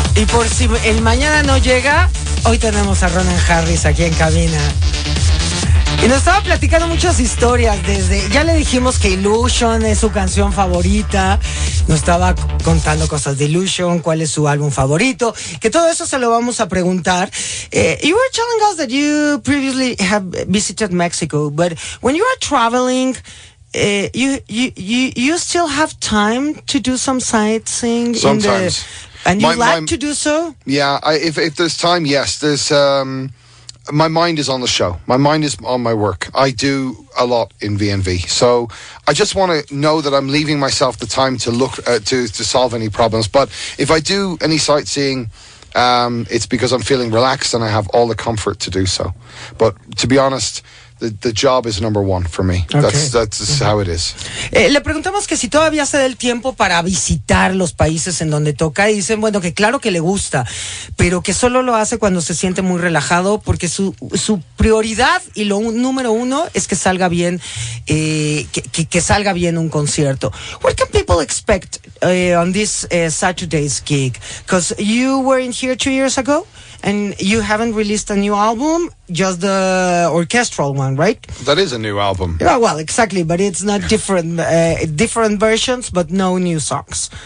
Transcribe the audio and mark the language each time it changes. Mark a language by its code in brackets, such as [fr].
[es] por si el mañana no llega, hoy tenemos a Ronan Harris aquí en cabina. Y nos estaba platicando muchas historias desde... Ya le dijimos que Illusion es su canción favorita. Nos estaba contando cosas de Illusion, cuál es su álbum favorito. Que todo eso se lo vamos a preguntar. [en] You were telling us that you previously have visited Mexico, but when you are traveling... You still have time to do some sightseeing sometimes, to do so. Yeah, if there's time, yes. There's my mind is on the show. My mind is on my work. I do a lot in VNV, so I just want to know that I'm leaving myself the time to look to solve any problems. But if I do any sightseeing, it's because I'm feeling relaxed and I have all the comfort to do so. But to be honest. The job is number one for me. Okay. That's uh-huh. how it is. [es] Le preguntamos que si todavía se da el tiempo para visitar los países en donde toca. Y dicen, bueno, que claro que le gusta, pero que solo lo hace cuando se siente muy relajado, porque su prioridad y lo número uno es que salga bien, que salga bien un concierto. [en] What can people expect on this Saturday's gig? Because you were in here 2 years ago. And you haven't released a new album, just the orchestral one, right? That is a new album. Yeah, well, exactly, but it's not different versions, but no new songs.